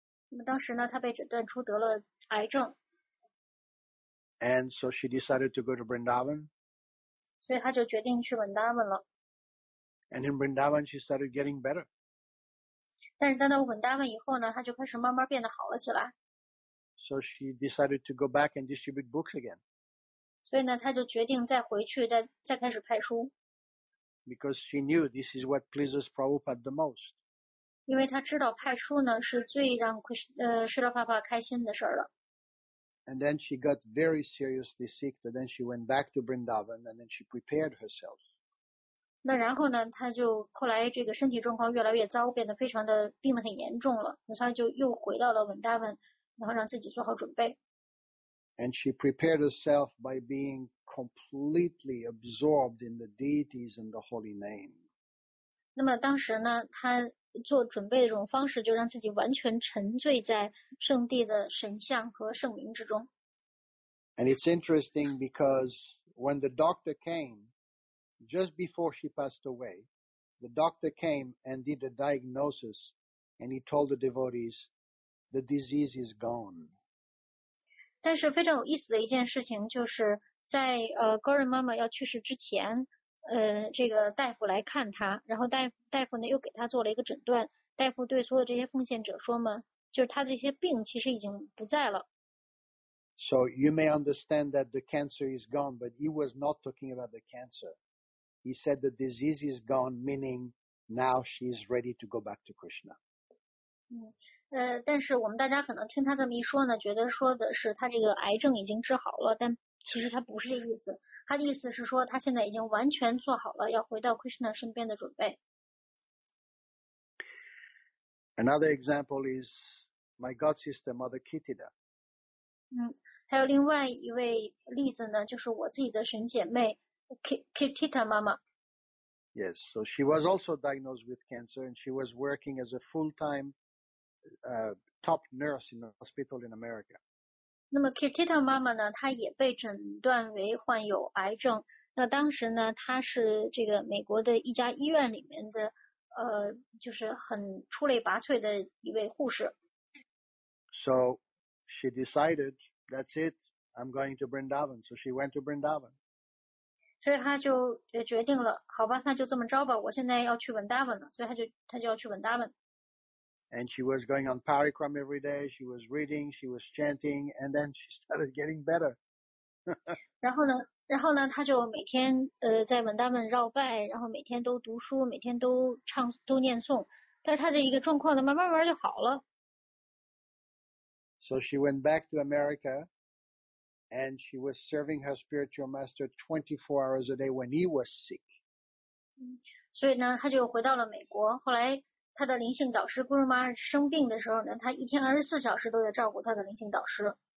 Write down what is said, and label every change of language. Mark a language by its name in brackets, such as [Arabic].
[Chinese] 那么当时呢，他被诊断出得了癌症。 [English] And so she decided to go to Vrindavan. [Chinese] 所以他就决定去 Vrindavan 了。 [English] And in Vrindavan, she started getting better. [Chinese] 但是当到 Vrindavan 以后呢，他就开始慢慢变得好了起来。 [English] So she decided to go back and distribute books again. [Chinese] 所以呢，他就决定再回去，再开始派书。 [English] Because she knew this is what pleases Prabhupada the most. [Chinese] 因为他知道派书呢是最让Srila Prabhupada开心的事儿了。 [English] And then she got very seriously sick, but then she went back to Vrindavan and then she prepared herself. [Chinese] 那然后呢，他就后来这个身体状况越来越糟，变得非常的病得很严重了，所以就又回到了Vrindavan，然后让自己做好准备。 [English] And she prepared herself by being completely absorbed in the deities and the holy name. [Chinese] 那么当时呢，他做准备的这种方式就让自己完全沉醉在圣地的神像和圣灵之中。 [English] And it's interesting because when the doctor came, just before she passed away, the doctor came and did a diagnosis and he told the devotees, the disease is gone. [Chinese] 但是非常有意思的一件事情就是在Gauri 妈妈要去世之前这个大夫来看他，然后大夫呢又给他做了一个诊断。大夫对所有这些奉献者说嘛，就是他这些病其实已经不在了。 [English] So you may understand that the cancer is gone, but he was not talking about the cancer. He said the disease is gone, meaning now she is ready to go back to Krishna. [Chinese] 嗯，但是我们大家可能听他这么一说呢，觉得说的是他这个癌症已经治好了，但其实他不是这意思。他的意思是说他现在已经完全做好了要回到 Krishna 身边的准备。 [English] Another example is my god sister Mother Kittida. [Chinese] 嗯，还有另外一位例子呢，就是我自己的神姐妹 Kittida 妈妈。 [English] Yes, so she was also diagnosed with cancer and she was working as a full-time, top nurse in a hospital in America. [Chinese] 那么 Kittida 妈妈呢，她也被诊断为患有癌症。那当时呢，她是这个美国的一家医院里面的，就是很出类拔萃的一位护士。 [English] So she decided, that's it, I'm going to Vrindavan. So she went to Vrindavan. [Chinese] 所以他就决定了，好吧，那就这么着吧，我现在要去Vrindavan了，所以他就要去Vrindavan。 [English] And she was going on parikram every day, she was reading, she was chanting, and then she started getting better. [Chinese] 然后呢他就每天在Vrindavan绕拜，然后每天都读书，每天都唱都念诵，但是他的一个状况呢慢慢就好了。 [English] So she went back to America,And she was serving her spiritual master 24 hours a day when he was sick. [Chinese] 所以呢他就回到了美国，后来他的灵性导师 Guru Maharaj 生病的时候呢，他一天24小时都在照顾他的灵性导师。